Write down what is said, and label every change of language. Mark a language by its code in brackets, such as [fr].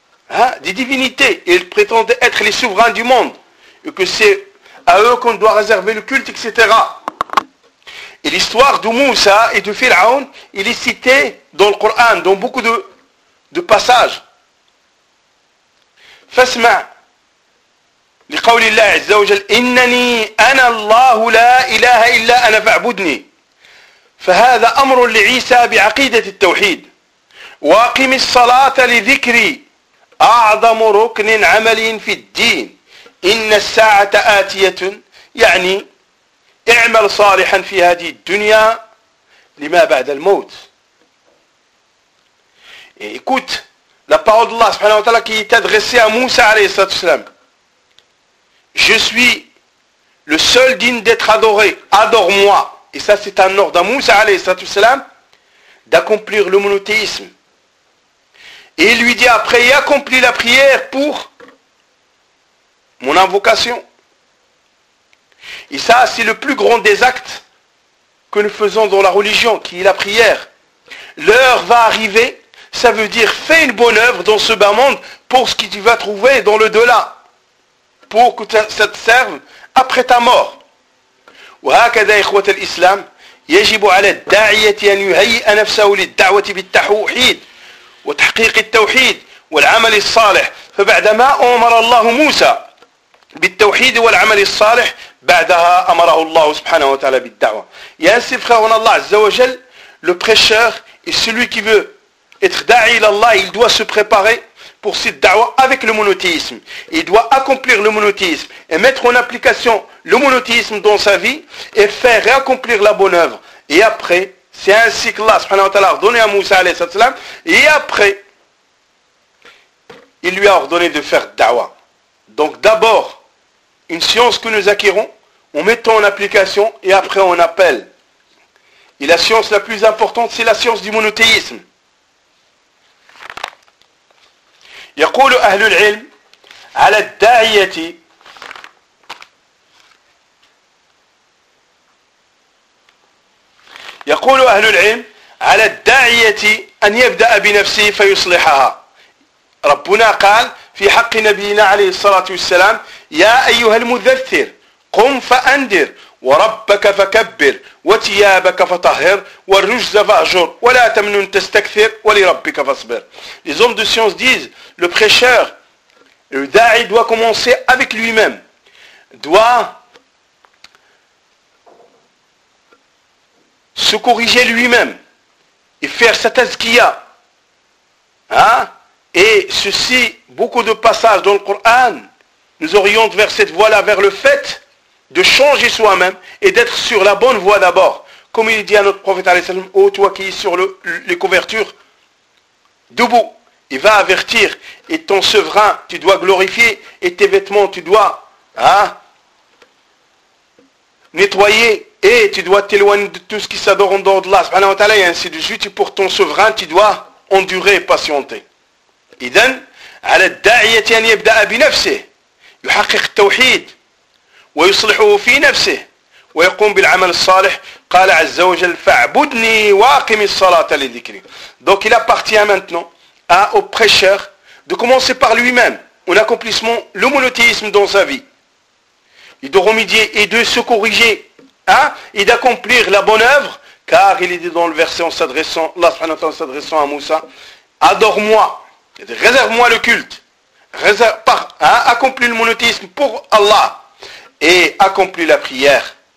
[fr] Hein, des divinités. Ils prétendent être les souverains du monde. Et que c'est à eux qu'on doit réserver le culte, etc. Et l'histoire de Moussa et de Pharaon, il est cité dans le Coran, dans beaucoup de passages. Fasma. [ar] لقول الله عز وجل إنني أنا الله لا إله إلا أنا فاعبدني فهذا أمر لعيسى بعقيدة التوحيد واقم الصلاة لذكري أعظم ركن عملي في الدين إن الساعة آتية يعني اعمل صالحا في هذه الدنيا لما بعد الموت [fr] écoute la parole d'Allah subhanahu wa ta'ala qui est adressée à Moussa alayhi salatu wasalam. Je suis le seul digne d'être adoré. Adore-moi. Et ça, c'est un ordre à Moussa, alayhi salatu wasalam, d'accomplir le monothéisme. Et il lui dit après, il accomplit la prière pour mon invocation. Et ça, c'est le plus grand des actes que nous faisons dans la religion, qui est la prière. L'heure va arriver, ça veut dire fais une bonne œuvre dans ce bas monde pour ce que tu vas trouver dans le delà. Pour que ça te serve après ta mort. [ar] وهكذا إخوة الإسلام يجب على الداعية أن يهيئ نفسه للدعوة بالتوحيد وتحقيق التوحيد والعمل الصالح. فبعدما أمر الله موسى بالتوحيد والعمل الصالح بعدها أمره الله سبحانه وتعالى بالدعوة. ياسف خاونا الله عز وجل [fr] le prêcheur et celui qui veut être [ar] داعي إلى الله [fr] il doit se préparer pour cette da'wah avec le monothéisme. Il doit accomplir le monothéisme et mettre en application le monothéisme dans sa vie et faire accomplir la bonne œuvre. Et après, c'est ainsi que Allah subhanahu wa ta'ala a ordonné à Moussa alayhi sallam. Et après, il lui a ordonné de faire da'wah. Donc d'abord, une science que nous acquérons, on met en application et après on appelle. Et la science la plus importante, c'est la science du monothéisme. [ar] يقول أهل العلم على الداعية يقول أهل العلم على الداعية أن يبدأ بنفسه فيصلحها ربنا قال في حق نبينا عليه الصلاة والسلام يا أيها المدثر قم فأنذر وربك فكبر وتيابك فطهر والرجز فاهجر ولا تمنن تستكثر ولربك فاصبر. [fr] Les hommes de science disent le prêcheur, le da'i doit commencer avec lui-même, doit se corriger lui-même et faire sa tazkiya. Hein? Et ceci, beaucoup de passages dans le Coran nous orientent vers cette voie-là, vers le fait de changer soi-même et d'être sur la bonne voie d'abord. Comme il dit à notre prophète, alayhi salam, ô toi qui es sur les couvertures, debout, il va avertir, et ton souverain, tu dois glorifier, et tes vêtements, tu dois nettoyer, et tu dois t'éloigner de tout ce qui s'adore en dehors de Allah, subhanahu wa ta'ala, et ainsi de suite, pour ton souverain, tu dois endurer et patienter. [ar] Idan, ala da'iyati an yabda'a bi nafsi, yuhakik tawhid, ويصلحه في نفسه ويقوم بالعمل الصالح قال عز وجل فاعبدني واقم الصلاة لذكري. [fr] Donc il appartient maintenant au prêcheur de commencer par lui-même en accomplissement le monothéisme dans sa vie et de remédier et de se corriger et d'accomplir la bonne œuvre, car il est dit dans le verset en s'adressant Allah subhanahu wa ta'ala s'adressant à Moussa, adore-moi, réserve-moi le culte, accomplis le monothéisme pour Allah et accomplit la prière.